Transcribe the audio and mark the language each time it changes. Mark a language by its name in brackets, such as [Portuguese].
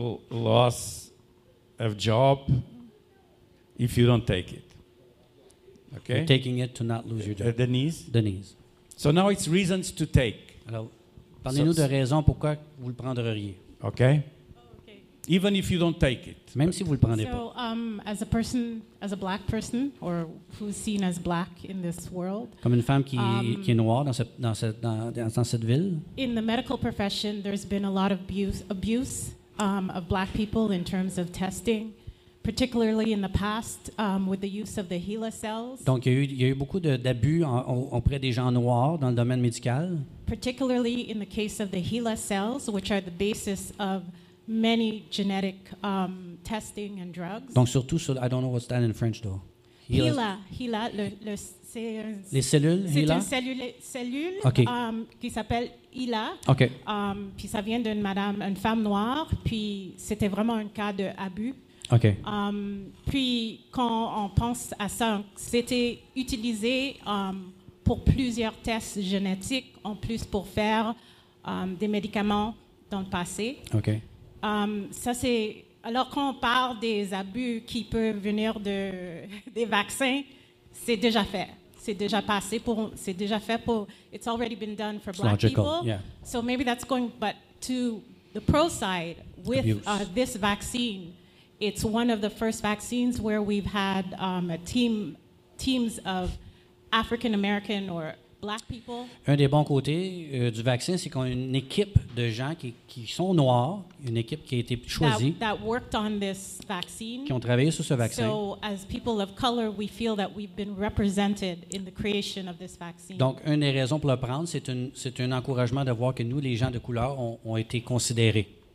[English] Loss of job if you don't take it. Okay. You're taking it to not lose your job. Denise. So now it's reasons to take. [French] Alors, parlez-nous de raisons pourquoi vous le prendriez. [English] Okay. Even if you don't take it. [French] Même si vous le prenez pas. [English] So, as a person, as a black person, or who's seen as black in this world. [French] Comme une femme qui est noire dans cette ville. [English] In the medical profession, there's been a lot of abuse of black people in terms of testing, particularly in the past with the use of the HeLa cells. [French] Donc il y a eu beaucoup d'abus auprès des gens noirs dans le domaine médical. [English] Particularly in the case of the HeLa cells, which are the basis of many genetic testing and drugs. [French] Donc surtout sur, [English] I don't know what's that in French though. HeLa, [French] les cellules. C'est HeLa? Une cellule okay. Qui s'appelle HeLa. Okay. Puis ça vient d'une madame, une femme noire. Puis c'était vraiment un cas de abus. Okay. Puis quand on pense à ça, c'était utilisé pour plusieurs tests génétiques, en plus pour faire des médicaments dans le passé. Okay. Ça c'est alors quand on parle des abus qui peuvent venir des vaccins, c'est déjà fait, c'est déjà fait pour [English] it's already been done for it's black logical. People. Yeah. So maybe that's going, but to the pro side with this vaccine, it's one of the first vaccines where we've had teams of African American or black people. [French] Un des bons côtés du vaccin, c'est qu'on a une équipe de gens qui sont noirs, une équipe qui a été choisie, [English] that worked on this vaccine. [French] Qui ont travaillé sur ce vaccin. [English] So, as people of color, we feel that we've been represented in the creation of this vaccine. [French] Donc, une des raisons pour le prendre, c'est un encouragement de voir que nous, les gens de couleur, ont été considérés.